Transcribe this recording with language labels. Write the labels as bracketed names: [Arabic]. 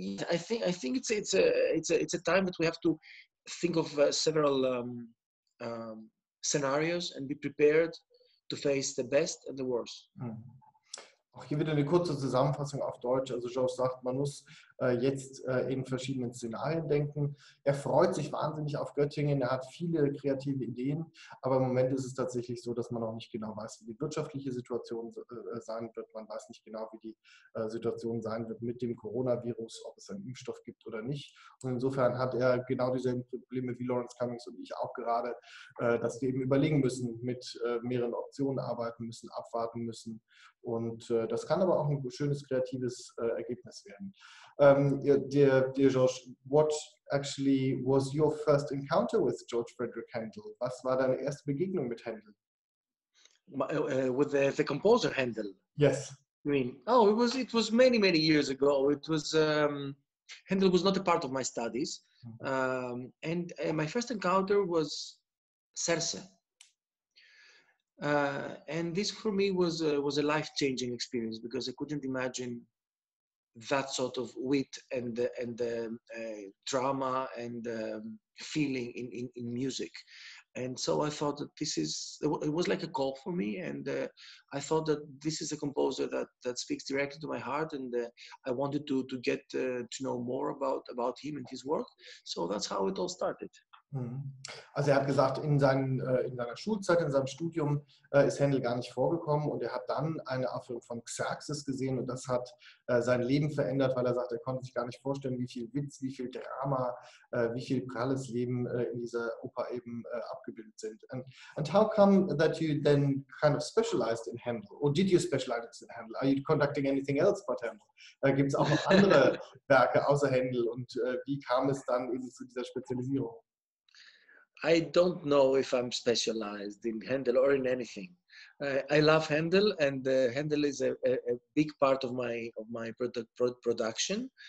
[English] I think it's a time that we have to think of several scenarios and be prepared to face the best and the worst. Mhm. [German] Auch hier wieder eine kurze Zusammenfassung auf Deutsch. Also Joe sagt, man muss jetzt in verschiedenen Szenarien denken. Er freut sich wahnsinnig auf Göttingen. Er hat viele kreative Ideen. Aber im Moment ist es tatsächlich so, dass man noch nicht genau weiß, wie die wirtschaftliche Situation sein wird. Man weiß nicht genau, wie die Situation sein wird mit dem Coronavirus, ob es einen Impfstoff gibt oder nicht. Und insofern hat er genau dieselben Probleme wie Lawrence Cummings und ich auch gerade, dass wir eben überlegen müssen, mit mehreren Optionen arbeiten müssen, abwarten müssen. Und das kann aber auch ein schönes kreatives Ergebnis werden. [English] Dear Josh, what actually was your first encounter with George Frideric Handel? [German] Was war deine erste Begegnung mit Handel? [English] With the composer Handel? Yes. I mean, it was many, many years ago. It was Handel was not a part of my studies. Mm-hmm. And my first encounter was Circe. And this for me was a life-changing experience, because I couldn't imagine that sort of wit and drama and feeling in music. And so I thought that it was like a call for me, and I thought that this is a composer that speaks directly to my heart, and I wanted to get to know more about him and his work. So that's how it all started. [German] Also er hat gesagt, in seiner Schulzeit, in seinem Studium ist Handel gar nicht vorgekommen, und er hat dann eine Aufführung von Xerxes gesehen, und das hat sein Leben verändert, weil er sagt, er konnte sich gar nicht vorstellen, wie viel Witz, wie viel Drama, wie viel pralles Leben in dieser Oper eben abgebildet sind. [English] And how come that you then kind of specialized in Handel? Or did you specialize in Handel? Are you conducting anything else but Handel? [German] Gibt es auch noch andere Werke außer Handel, und wie kam es dann eben zu dieser Spezialisierung? [English] I don't know if I'm specialized in Handel or in anything. I love Handel, and Handel is a big part of my production.